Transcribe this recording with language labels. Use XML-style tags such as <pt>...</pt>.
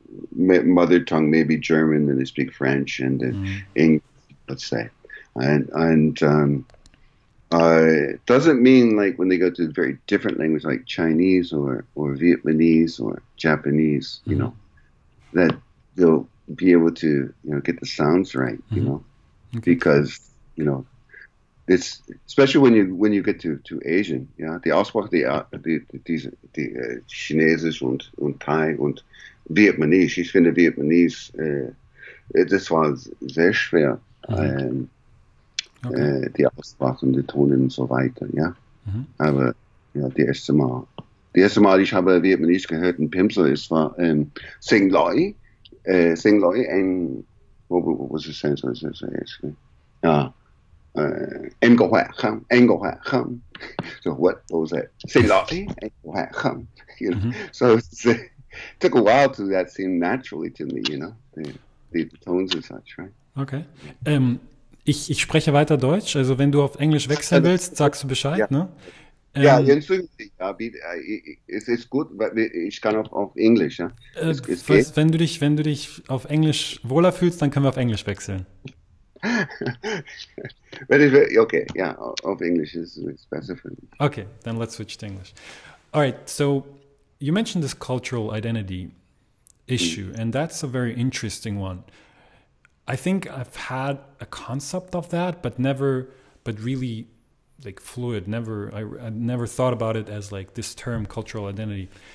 <en>mother tongue maybe German, and they speak French and English, let's say, it doesn't mean like when they go to a very different language like Chinese or Vietnamese or Japanese, that they'll be able to, get the sounds right, because, it's especially when you get to Asian, yeah,</en> <de>die Aussprache, die Chinesisch und Thai und Vietnamese. Ich finde Vietnamese, das war sehr schwer, die Aussprache und die Tonen und so weiter, ja. Aber ja, die erste Mal, ich habe Vietnamese gehört in Pimsleur, es war Sing Loi. Sing Loi, ein, wo was ist das? Was ist das?</de> <en>Ja, Engelhuacham, so what was that? Sing Loi, Engelhuacham, so it took a while to that seemed naturally to me, the tones and such, right?</en> <de>Ich spreche weiter Deutsch, also wenn du auf Englisch wechseln willst, sagst du Bescheid, ne? Ja, entschuldigen Sie, es ist gut, weil ich kann auf Englisch, ja. Es geht. Wenn du dich auf Englisch wohler fühlst, dann können wir auf Englisch wechseln. Okay, ja, auf Englisch ist es besser für mich.</de> <en>Okay, then let's switch to English. All right, so you mentioned this cultural identity issue, and that's a very interesting one. I think I've had a concept of that, but never, but really like fluid. Never, I never thought about it as like this term, cultural identity.</en>